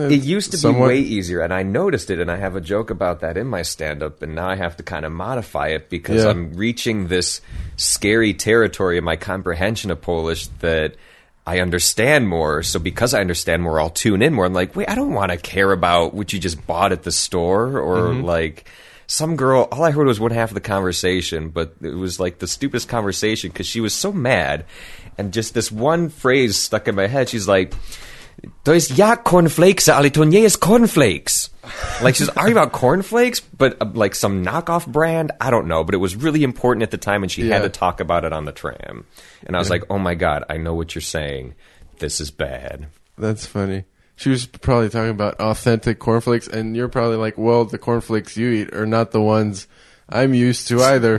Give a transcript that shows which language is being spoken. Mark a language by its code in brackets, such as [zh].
[en] It used to be way easier, and I noticed it, and I have a joke about that in my stand-up, and now I have to kind of modify it because I'm reaching this scary territory in my comprehension of Polish that I understand more, so because I understand more, I'll tune in more. I'm like, wait, I don't want to care about what you just bought at the store or like some girl. All I heard was one half of the conversation, but it was like the stupidest conversation because she was so mad. And just this one phrase stuck in my head. She's like, [pl] to jest ja cornflakes, ale to nie jest cornflakes. [en] Like, she's arguing about cornflakes, but like some knockoff brand. I don't know, but it was really important at the time, and she had to talk about it on the tram. And I was like, oh my God, I know what you're saying. This is bad. That's funny. She was probably talking about authentic cornflakes, and you're probably like, well, the cornflakes you eat are not the ones I'm used to either.